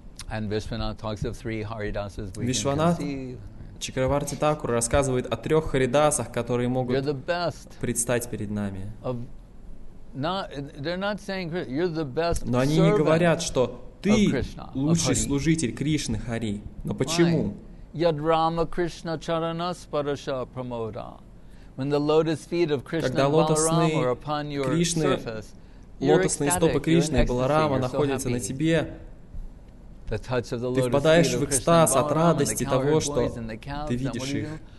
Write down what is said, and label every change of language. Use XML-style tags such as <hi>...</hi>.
<en>And Vishwanath talks of three Haridasas we can see.</en> <ru>Чакраварти Такур рассказывает о трех Харидасах, которые могут</ru> <en>you're the best</en> <ru>предстать перед нами.</ru> <en>Of, not, they're not saying you're the best.</en> <ru>Но они не говорят, что ты лучший служитель Кришны Хари. Но почему?</ru> <sa>Yadrama Krishna Charanas Parasha Pramoda.</sa> <en>When the lotus feet of Krishna Balarama are upon your</en> <ru>Кришны,</ru> <en>surface,</en> <ru>лотосные стопы Кришны и Баларама находятся на тебе. Ты впадаешь в экстаз от радости того, что ты видишь их.</ru>